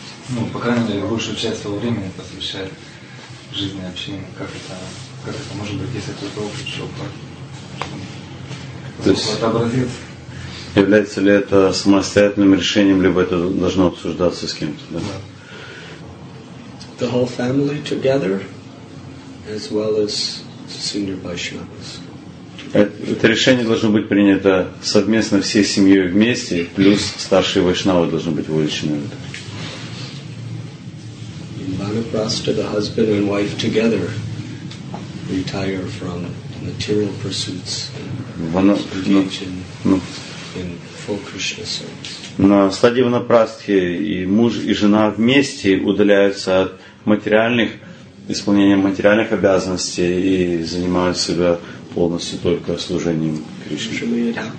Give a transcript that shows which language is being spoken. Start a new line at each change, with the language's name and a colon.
Russian: Ну, по крайней мере, большую часть своего времени посвящает жизни общине. Как это может быть, если кто-то опыт Шопа образец. Является ли это самостоятельным решением, либо это должно обсуждаться с кем-то? Да?
English: The whole family together, as well as senior Vaishnavas.
Russian: Это решение должно быть принято совместно всей семьей вместе, плюс старшие вайшнавы должны быть вовлечены в это.
English: Vanaprastha, the husband and wife together, retire from material pursuits and engage in full Krishna service.
Russian: На стадии Ванапрастхи и муж, и жена вместе удаляются от материальных, исполнения материальных обязанностей и занимают себя полностью только служением Кришне.